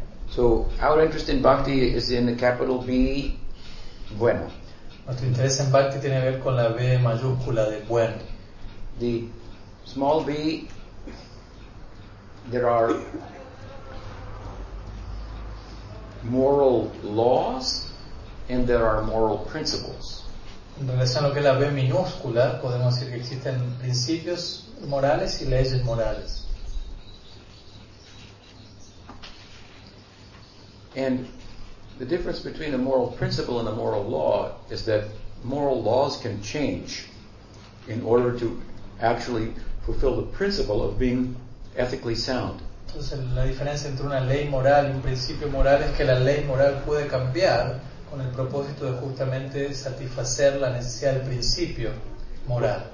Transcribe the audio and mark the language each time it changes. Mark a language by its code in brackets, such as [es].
[en] So, our interest in bhakti is in the capital B. [es] Bueno. Nuestro interés en bhakti tiene que ver con la B mayúscula de bueno. [en] The small b, there are moral laws and there are moral principles. [es] En relación a lo que es la B minúscula, podemos decir que existen principios morales y leyes morales. [en] And the difference between a moral principle and a moral law is that moral laws can change in order to actually fulfill the principle of being ethically sound. [es] Entonces, la diferencia entre una ley moral y un principio moral es que la ley moral puede cambiar con el propósito de justamente satisfacer la necesidad del principio moral.